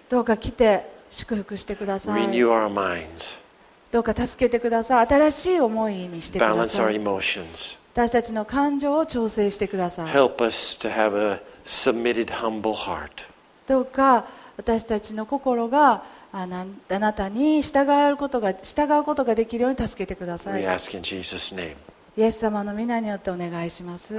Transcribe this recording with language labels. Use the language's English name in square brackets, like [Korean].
[Japanese] どうか来て祝福してください。 [English] Renew our minds. [Japanese] どうか助けてください。新しい思いにしてください。 [English] Balance our emotions. [Japanese] 私たちの感情を調整してください。 [English] Help us to have a submitted, humble heart. [Japanese] どうか私たちの心が あなたに従うことができるように助けてください。 [English] We ask in Jesus' name. [Japanese] イエス様の御名によってお願いします。